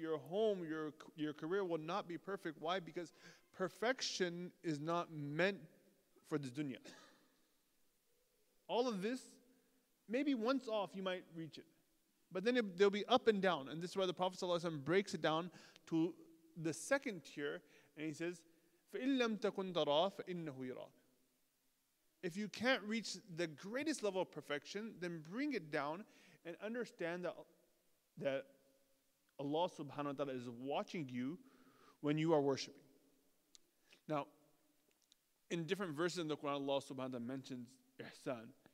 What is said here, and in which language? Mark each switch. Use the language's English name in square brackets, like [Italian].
[English] Your home, your career will not be perfect. Why? Because perfection is not meant for the dunya. All of this, maybe once off you might reach it. But then they'll be up and down. And this is why the Prophet ﷺ breaks it down to the second tier. And he says, [Arabic] فَإِن لَمْ تَكُنْ تَرَى فَإِنَّهُ يَرَى. [English] If you can't reach the greatest level of perfection, then bring it down and understand that Allah subhanahu wa ta'ala is watching you when you are worshiping. Now, in different verses in the Quran, Allah subhanahu wa ta'ala mentions ihsan.